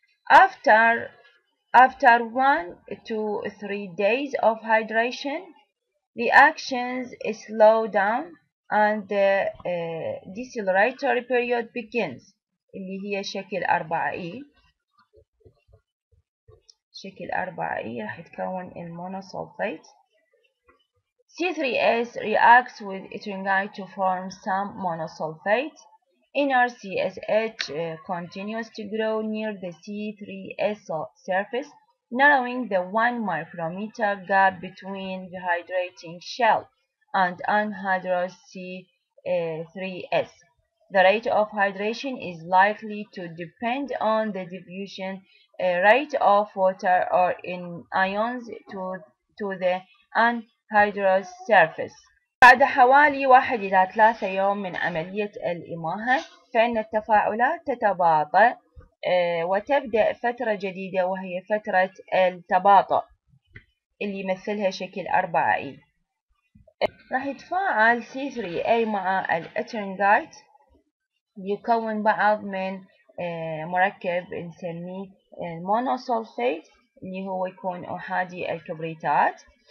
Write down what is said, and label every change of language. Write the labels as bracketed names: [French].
[English] After 1 to 3 days of hydration, reactions slow down and the deceleratory period begins. [Arabic] اللي هي شكل 4E. شكل 4E راح يتكون المونوسولفيت. [English] C3S reacts with ethringite to form some monosulfate. Inner CSH continues to grow near the C3S surface, narrowing the 1 micrometer gap between the hydrating shell and anhydrous C3S. The rate of hydration is likely to depend on the diffusion rate of water or in ions to the anhydrous surface. [Arabic] بعد حوالي 1 إلى 3 يوم من عملية الإماهة فإن التفاعلات تتباطأ وتبدأ فترة جديدة وهي فترة التباطؤ اللي يمثلها شكل 4E. راح يتفاعل C3A مع الإترينغايت بيكون بعض من مركب نسميه المونوسولفيت اللي هو يكون أحادي الكبريتات.